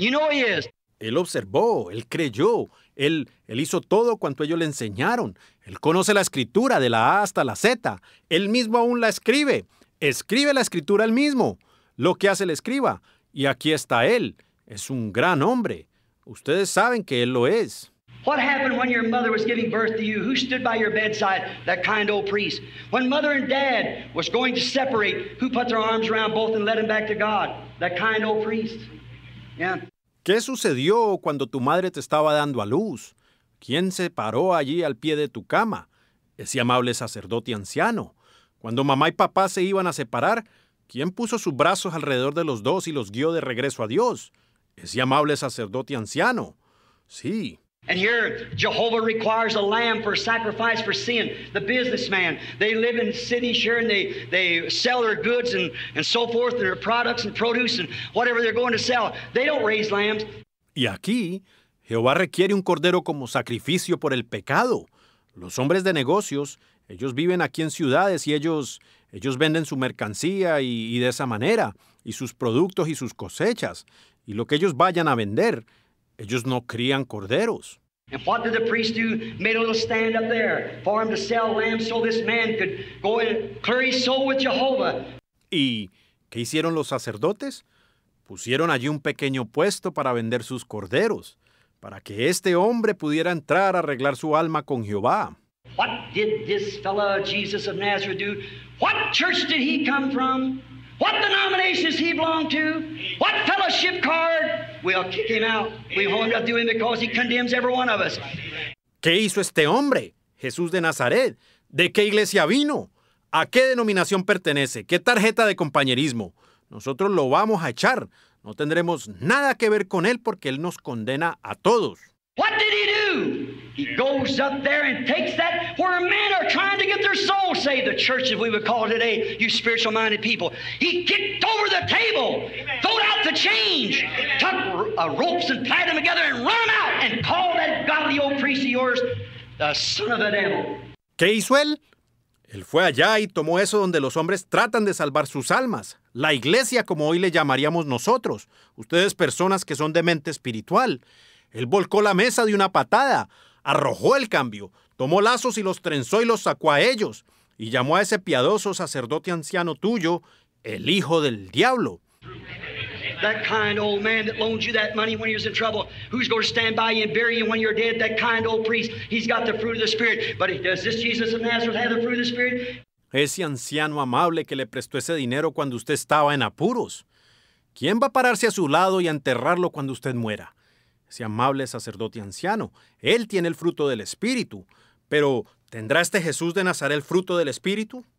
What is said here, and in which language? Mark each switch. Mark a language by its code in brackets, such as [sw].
[en] You know he is. [es] Él observó, él creyó. Él hizo todo cuanto ellos le enseñaron. Él conoce la escritura de la A hasta la Z. Él mismo aún la escribe. Escribe la escritura él mismo, lo que hace el escriba. Y aquí está él. Es un gran hombre. Ustedes saben que él lo es. [en] What happened when your mother was giving birth to you? Who stood by your bedside? That kind old priest. When mother and dad was going to separate, who put their arms around both and led them back to God? That kind old priest. Yeah. [es] ¿Qué sucedió cuando tu madre te estaba dando a luz? ¿Quién se paró allí al pie de tu cama? Ese amable sacerdote anciano. Cuando mamá y papá se iban a separar, ¿quién puso sus brazos alrededor de los dos y los guió de regreso a Dios? Ese amable sacerdote anciano. Sí. [en] And here, Jehovah requires a lamb for sacrifice for sin. The businessman, they live in cities here and they sell their goods and so forth, their products and produce and whatever they're going to sell. They don't raise lambs. [es] Y aquí, Jehová requiere un cordero como sacrificio por el pecado. Los hombres de negocios, ellos viven aquí en ciudades y ellos venden su mercancía y de esa manera, y sus productos y sus cosechas, y lo que ellos vayan a vender, ellos no crían corderos. [en] And what did the priest do? Made a little stand up there for him to sell lambs so this man could go and clear his soul with Jehovah. [es] ¿Y qué hicieron los sacerdotes? Pusieron allí un pequeño puesto para vender sus corderos, para que este hombre pudiera entrar a arreglar su alma con Jehová. [en] What did this fellow Jesus of Nazareth do? What church did he come from? What denomination does he belong to? What fellowship card? We'll kick him out. We hold him up to him because he condemns every one of us. [es] ¿Qué hizo este hombre, Jesús de Nazaret? ¿De qué iglesia vino? ¿A qué denominación pertenece? ¿Qué tarjeta de compañerismo? Nosotros lo vamos a echar. No tendremos nada que ver con él porque él nos condena a todos. [en] What did he do? He goes up there and takes that where men are trying to get their soul saved. The church, if we would call it today, you spiritual-minded people. He kicked over the table, threw out the change, took ropes and tied them together and run them out and called that godly old priest of yours The son of the devil. [es] ¿Qué hizo él? Él fue allá y tomó eso donde los hombres tratan de salvar sus almas. La iglesia, como hoy le llamaríamos nosotros. Ustedes personas que son de mente espiritual. Él volcó la mesa de una patada. Arrojó el cambio. Tomó lazos y los trenzó y los sacó a ellos. Y llamó a ese piadoso sacerdote anciano tuyo, el hijo del diablo. [en] That kind old man that loaned you that money when he was in trouble, who's going to stand by you and bury you when you're dead, that kind old priest, he's got the fruit of the Spirit. But does this Jesus of Nazareth have the fruit of the Spirit? [es] Ese anciano amable que le prestó ese dinero cuando usted estaba en apuros. ¿Quién va a pararse a su lado y a enterrarlo cuando usted muera? Ese amable sacerdote anciano, él tiene el fruto del Espíritu. Pero, ¿tendrá este Jesús de Nazaret el fruto del Espíritu?